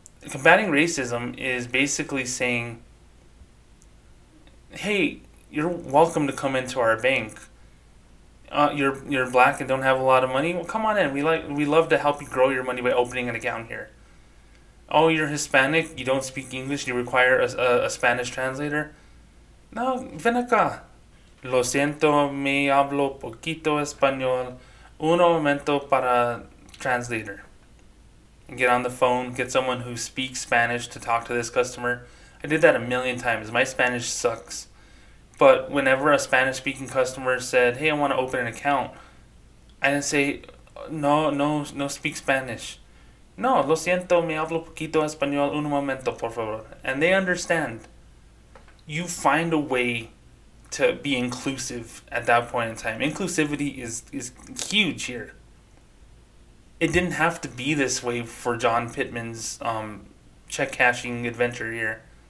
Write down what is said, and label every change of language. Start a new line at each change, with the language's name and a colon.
English: Combating racism is basically saying, hey, you're welcome to come into our bank. You're black and don't have a lot of money? Well, come on in. We love to help you grow your money by opening an account here. Oh, you're Hispanic, you don't speak English, you require a Spanish translator?
Spanish: No, ven acá. Lo siento, me hablo poquito español. Uno momento para translator.
English: Get on the phone, get someone who speaks Spanish to talk to this customer. I did that a million times. My Spanish sucks. But whenever a Spanish-speaking customer said, hey, I want to open an account, I didn't say, no, no, no speak Spanish.
Spanish: No, lo siento, me hablo poquito español, un momento, por favor.
English: And they understand. You find a way to be inclusive at that point in time. Inclusivity is huge here. It didn't have to be this way for John Pittman's check cashing adventure here.